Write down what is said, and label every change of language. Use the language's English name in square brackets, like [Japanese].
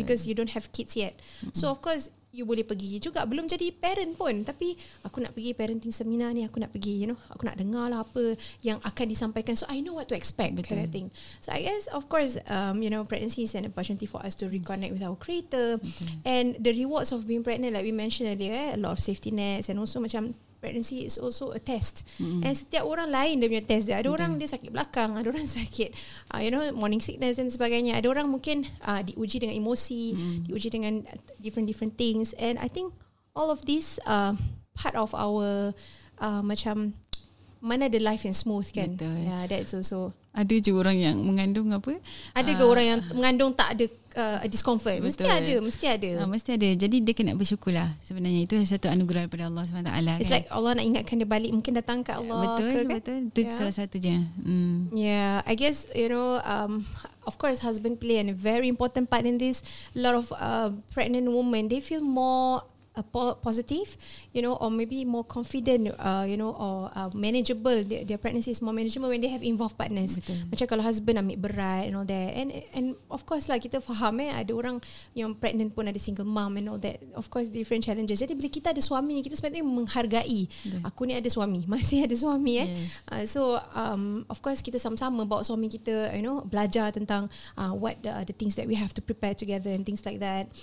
[English] Because you don't have kids yet. [Malay] Mm-hmm. [English] So of course you [Malay] boleh pergi juga, belum jadi parent pun, tapi aku nak pergi parenting seminar ni, aku nak pergi, [English] you know, [Malay] aku nak dengar lah apa yang akan disampaikan, [English] so I know what to expect. [Malay] Betul. [English] Kind of thing. So I guess of course you know, pregnancy is an opportunity for us to reconnect with our creator. [Malay] Betul. [English] And the rewards of being pregnant, like we mentioned earlier, a lot of safety nets, and also macam pregnancy is also a test. [Malay] And setiap orang lain dia punya test dia. Ada orang dia sakit belakang, ada orang sakit [English] you know, [Malay] morning sickness dan sebagainya. Ada orang mungkin diuji dengan emosi, diuji dengan [English] different things. And I think all of this part of our [Malay] macam mana [English] the life and smooth kan. [Malay] Betul. [English] Yeah, that's also. [Malay] Ada je orang yang mengandung apa? Ada ke orang yang mengandung tak ada discomfort? Betul. Mesti ada. Mesti ada. Jadi dia kena bersyukurlah. Sebenarnya itu satu anugerah daripada Allah SWT. [English] It's [Malay] kan? Like Allah nak ingatkan dia balik, mungkin datang ke Allah. Betul. Itu salah satu je. [English] Yeah, I guess, you know, of course husband play a very important part in this. A lot of pregnant women, they feel more positive, you know, or maybe more confident, you know, or manageable. Their pregnancy is more manageable when they have involved partners. [Malay] Betul. Macam kalau husband ambil berat [English] and all that. And of course [Malay] lah, kita faham ada orang yang pregnant pun ada [English] single mom and all that. Of course, different challenges. [Malay] Jadi bila kita ada suami, kita sepatutnya menghargai. Betul. Aku ni ada suami, masih ada suami. [English] Yes. So, of course, [Malay] kita sama-sama bawa suami kita, [English] you know, [Malay] belajar tentang [English] what the things that we have to prepare together and things like that.